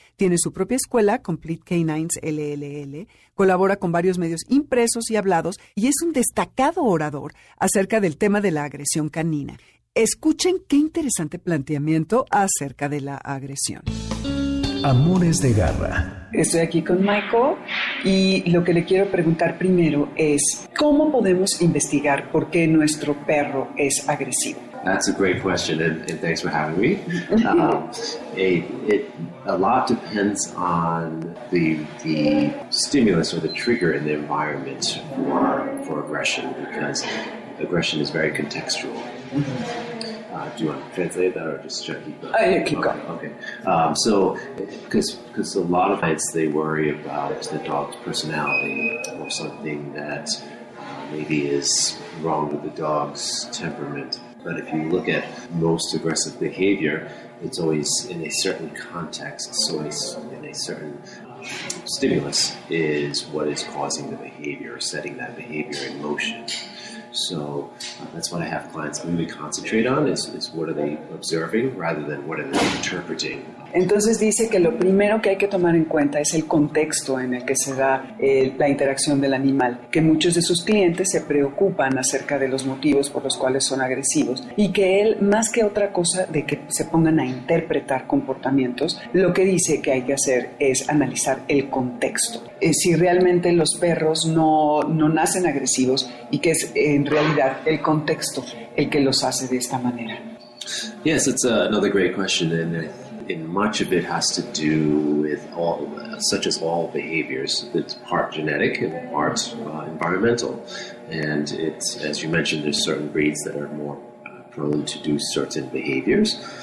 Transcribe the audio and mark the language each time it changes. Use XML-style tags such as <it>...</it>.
<es>Tiene su propia escuela, Complete Canines LLL, colabora con varios medios impresos y hablados y es un destacado orador acerca del tema de la agresión canina. Escuchen qué interesante planteamiento acerca de la agresión. Amores de Garra. Estoy aquí con Michael y lo que le quiero preguntar primero es, ¿cómo podemos investigar por qué nuestro perro es agresivo?</es> <en>That's a great question, and thanks for having me. A lot depends on the stimulus or the trigger in the environment for aggression, because aggression is very contextual. Do you want to translate that or just check? Keep going. So, because a lot of times they worry about the dog's personality or something that maybe is wrong with the dog's temperament. But if you look at most aggressive behavior, it's always in a certain context, so it's in a certain stimulus is what is causing the behavior, setting that behavior in motion. So that's what I have clients really concentrate on, is what are they observing rather than what are they interpreting.</en> <es>Entonces dice que lo primero que hay que tomar en cuenta es el contexto en el que se da la interacción del animal, que muchos de sus clientes se preocupan acerca de los motivos por los cuales son agresivos y que él, más que otra cosa de que se pongan a interpretar comportamientos, lo que dice que hay que hacer es analizar el contexto. Si realmente los perros no nacen agresivos y que es en realidad el contexto el que los hace de esta manera.</es> <en>Yes, it's another great question, and in much of it has to do with all, such as all behaviors, it's part genetic and part environmental. And it's, as you mentioned, there's certain breeds that are more prone to do certain behaviors.</en>